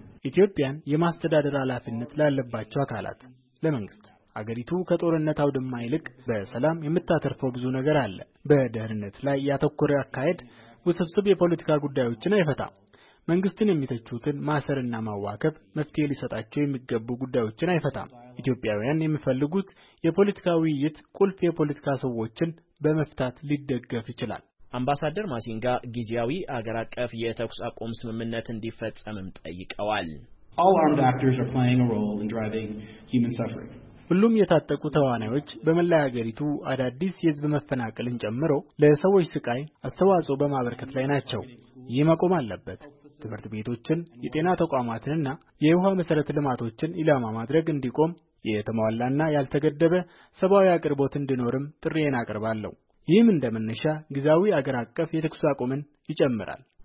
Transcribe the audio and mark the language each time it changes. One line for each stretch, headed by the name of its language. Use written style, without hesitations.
Amharic: ኢትዮጵያን የማስተዳደር ኃላፊነት ላለባቸው አካላት ለመንግስት አገሪቱ ከጦርነት አውድማ ይልቅ በሰላም የምትታተርፈው ብዙ ነገር አለ። በደህንነት ላይ ያተኮረ አካሄድ ውስብስብ የፖለቲካ ጉዳዮችን አይፈታም። መንግስትን የሚተቹትን ማሰርና ማዋከብ መፍትሄ ሊሰጣቸው የሚገቡ ጉዳዮችን አይፈታም። ኢትዮጵያውያን የሚፈልጉት የፖለቲካ ውይይት ቁልፍ የፖለቲካ ሰዎችን በመፍታት ሊደገፍ ይችላል። አምባሳደር ማሲንጋ ጊዚያዊ አገር አቀፍ የተኩስ አቁም ስምምነት እንዲፈጸምም ጠይቀዋል።
English: All armed actors are playing a role in driving human suffering.
Amharic: ሁሉም የታጠቁ ተዋናዮች በመላ ሀገሪቱ አዳዲስ የህዝብ መፈናቀልን ጨምሮ ለሰዎች ስቃይ አስተዋጽኦ በማበርከት ላይ ናቸው። ይህ መቆም አለበት። ትምህርት ቤቶችን፣ የጤና ተቋማትንና የውሃ መሰረተ ልማቶችን ኢላማ ማድረግ እንዲቆም የተሟላና ያልተገደበ ሰብአዊ አቅርቦት እንዲኖርም ጥሪዬን አቀርባለሁ። ይህም እንደምንሻ ግዛዊ አገር አቀፍ የተኩስ አቁምን ይጨምራል።